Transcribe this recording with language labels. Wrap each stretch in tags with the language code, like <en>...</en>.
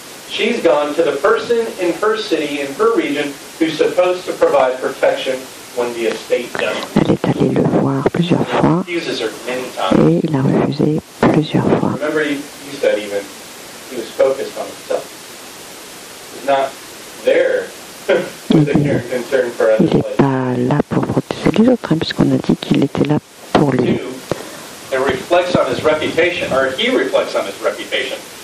<en>She's gone to the person in her city, in her region, who's supposed to provide protection when the estate doesn't.</en> <fr>Elle est allée le voir plusieurs fois, et il a refusé plusieurs fois.</fr> <en>Remember, he said even he was focused on himself. He's not there.</en> <fr>Il n'est pas là pour protéger les autres, hein, puisqu'on a dit qu'il était là pour lui.</fr> <en>It reflects on his reputation, or he reflects on his reputation.</en>